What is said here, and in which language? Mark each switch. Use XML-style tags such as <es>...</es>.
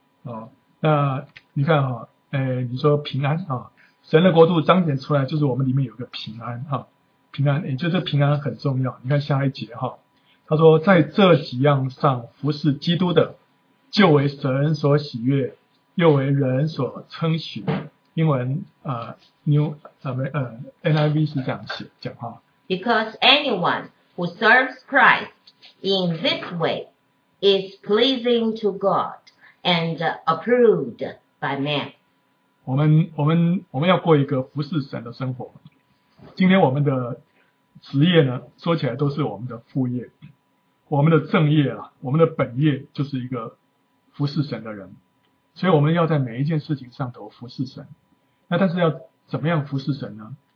<zh>哦，那你看哈、哦，你说平安啊。哦，神的国度彰显出来，就是我们里面有个平安哈，平安，也就是平安很重要。你看下一节哈，他说在这几样上服侍基督的，就为神所喜悦，又为人所称许。英文NIV 是这样写讲哈。</zh> <en>Because anyone who serves Christ in this way is pleasing to God and approved by man.</en> <zh>我们要过一个服侍神的生活。今天我们的职业呢，说起来都是我们的副业，我们的正业啊，我们的本业就是一个服侍神的人。所以我们要在每一件事情上头服侍神。那但是要怎么样服侍神呢？</zh>